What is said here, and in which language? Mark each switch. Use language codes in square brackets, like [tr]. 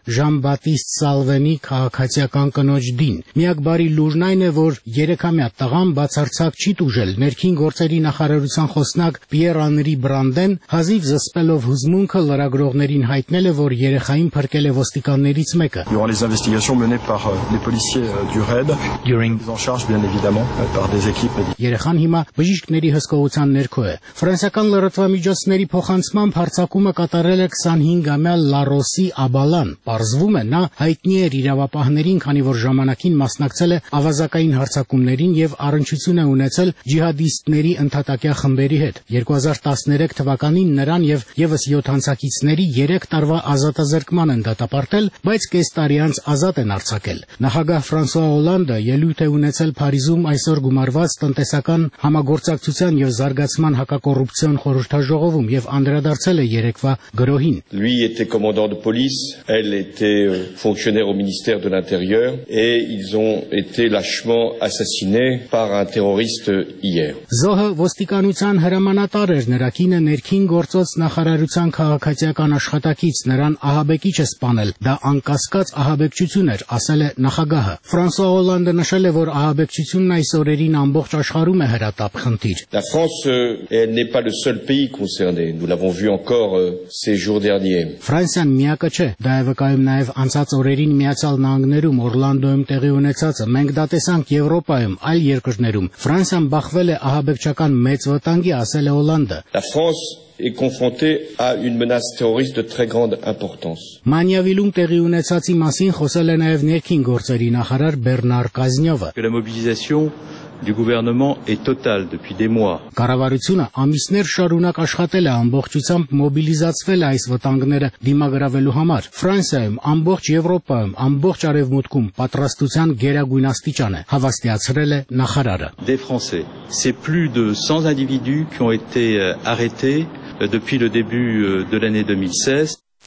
[hy] Ժան Բատիստ Սալվենի քաղաքացիական կնոջ Դին։ Միակ Բարի լուրն այն է, որ երեքամյա տղան բացարձակ չի տուժել։ Ներքին գործերի նախարարության խոսնակ Պիեր Անրի Բրանդեն, հազիվ զսպելով հուզմունքը, լրագրողներին հայտնել է, որ երեխային փրկել է ոստիկաններից մեկը։ [fr] Durant les investigations menées par les policiers du RAID, during en charge bien évidemment par des équipes. [hy] Երեխան հիմա բժիշկների հսկողության ներքո է։ Ֆրանսական լրատվամիջոցների փոխանցմամբ հարցակումը կատարել է 25-ամյա Լարոսի Աբալան։ Պարզվում է, նա հայտնի էր իրավապահներին, քանի որ ժամանակին մասն ակցել է ավազակային հարցակումներին եւ առնչություն է ունեցել ջիհադիստների ընդհատակյա խմբերի հետ։ 2013 թվականին նրան եւ եւս 7 անցակիցների 3 տարվա ազատազրկման են դատապարտել, բայց կես տարի անց ազատ են արձակել։ Նախագահ Ֆրանսուա Օլանդը ելույթ է ունեցել Փարիզում այսօր գումարված տնտեսական համագործակցության եւ զարգացման հակակոռուպցիոն խորհրդաժողովում եւ անդրադարձել է երեկվա գրոհին։ [fr] Lui était commandant de police, elle était fonctionnaire au ministère de l'Intérieur et ils ont été lâchement assassinés par un terroriste hier. [hy] Զոհը ոստիկանության հրամանատար էր, նրա կինը ներքին գործոց նախարարության քաղաքացիական աշխատակից, նրան ահաբեկիչ է սպանել։ Դա անկասկած ահաբեկչություն էր, ասել է նախագահը։ Ֆրանսուա Օլանդը նշել է, որ ահաբեկչությունն այս օրերին ամբողջ աշխարհում է հրատապ խնդիր։ [fr] La France n'est pas le seul pays concerné. Nous l'avons vu encore ces jours derniers. [hy] Ֆրանսիան միակը չէ, դա է վկայում նաև անցած օրերին Միացյալ Նահանգներում, Օրլանդոյում տեղի ունեցածը։ Մենք դա տեսանք Եվրոպայում, այլ երկրներում, Ֆրանսիան բախվել է ահաբեկչական մեծ վտանգի, ասել է Հոլանդը. [fr] Est confronté à une menace terroriste de très grande importance. [hy] Մանյավիլում տեղի ունեցածի մասին խոսել է նաև ներքին գործերի նախարար Բերնար Կազնյովը. [fr] La mobilisation du gouvernement est totale depuis des mois. [hy] Կառավարությունը ամիսներ շարունակ աշխատել է ամբողջությամբ մոբիլիզացվել այս վտանգները դիմագրավելու համար։ Ֆրանսիայում, ամբողջ Եվրոպայում, ամբողջ Արևմուտքում պատրաստության գերագույնաստիճան է, հավաստիացրել է նախարարը։ [fr] Des Français, c'est plus de 100 individus qui ont été arrêtés depuis le début de l'année 2016.